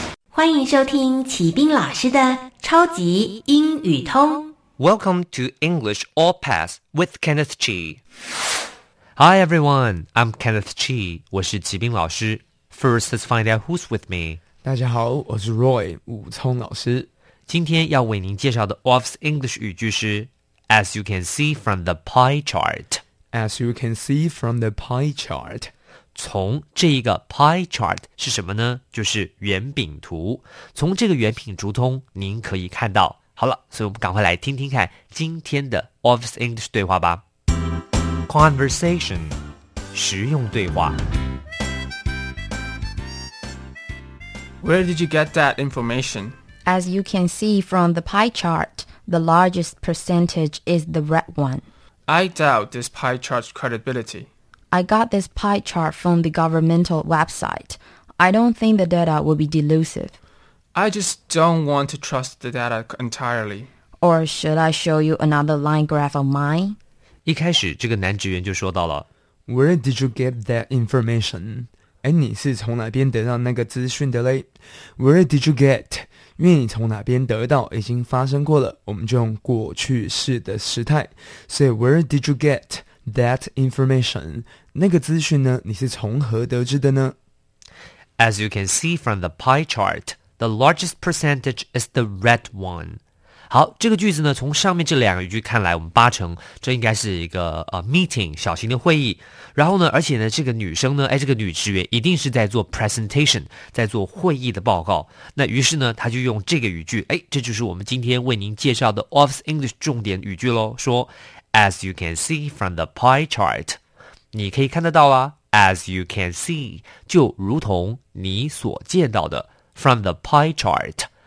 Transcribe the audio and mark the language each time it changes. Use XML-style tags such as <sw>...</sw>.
<zh>欢迎收听启斌老师的超级英语通。</zh> <en>Welcome to English All Pass with Kenneth Chi. Hi everyone, I'm Kenneth Chi,</en> <zh>我是齐斌老师。</zh> <en>First, let's find out who's with me.</en> <zh>大家好，我是 Roy, 武聪老师。今天要为您介绍的</zh> <en>Off's English</en> <zh>语句是</zh> <en>As you can see from the pie chart. As you can see from the pie chart.</en> <zh>从这一个 pie chart 是什么呢？就是圆饼图。从这个圆饼图中，您可以看到。好了，所以我们赶快来听听看今天的 Office English 对话吧。 Conversation， 实用对话。</zh> <en>Where did you get that information? As you can see from the pie chart, the largest percentage is the red one. I doubt this pie chart's credibility. I got this pie chart from the governmental website. I don't think the data will be delusive. I just don't want to trust the data entirely. Or should I show you another line graph of mine?</en> <zh>一开始这个男职员就说到了</zh> <en>Where did you get that information? 哎，</en> <zh>你是从哪边得到那个资讯的嘞</zh> <en>Where did you get?</en> <zh>因为你从哪边得到已经发生过了我们就用过去式的时态所以</zh> <en>Where did you get? That information,</en> <zh>那个资讯呢,你是从何得知的呢?</zh> <en>As you can see from the pie chart, the largest percentage is the red one.</en> <zh>好,这个句子呢,从上面这两个语句看来,我们八成,这应该是一个meeting, 小型的会议。然后呢,而且呢,这个女生呢,哎,这个女职员一定是在做 presentation, 在做会议的报告。那于是呢,她就用这个语句,哎,这就是我们今天为您介绍的 Office English 重点语句咯,说</zh> <en>As you can see from the pie chart,</en> <zh>你可以看得到啊</zh> <en>as you can see,</en> <zh>就如同你所见到的</zh> <en>from the pie chart.</en>